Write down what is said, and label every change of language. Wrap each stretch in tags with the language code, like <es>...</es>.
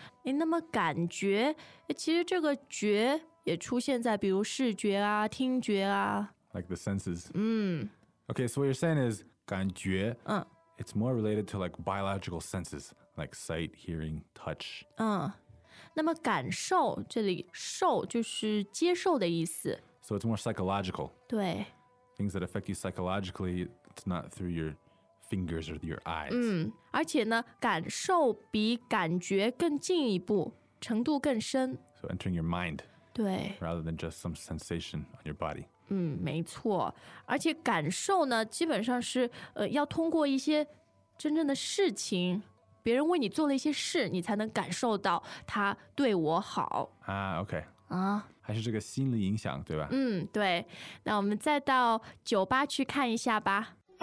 <zh>那么感觉其实这个觉也出现在比如视觉啊听觉啊</zh> <en>like the senses。 Okay, so what you're saying is 感觉、嗯、 it's more related to like biological senses like sight, hearing, touch。</en> <zh>那么感受这里受就是接受的意思。</zh> <en>So it's more psychological.</en> <zh>对。</zh> <en>Things that affect you psychologically, it's not through your fingers or your eyes.</en> <zh>而且呢，感受比感觉更进一步，程度更深。</zh> <en>So entering your mind.</en> <zh>对。</zh> <en>Rather than just some sensation on your body.</en> <zh>没错。而且感受呢，基本上是要通过一些真正的事情，别人为你做了一些事，你才能感受到他对我好。</zh> <en>Okay. 啊。</en> <zh>还是这个心理影响，对吧？对。那我们再到酒吧去看一下吧。</zh>